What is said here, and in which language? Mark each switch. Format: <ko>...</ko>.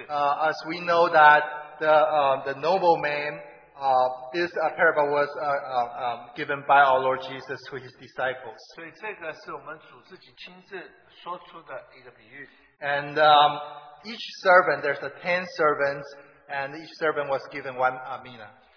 <en>As we know that the nobleman, this parable was given by our Lord Jesus to his disciples.</en> <zh>所以这个是我们主自己亲自说出的一个比喻。</zh> <en>And each servant, there's 10 servants, and each servant was given one mina.</en>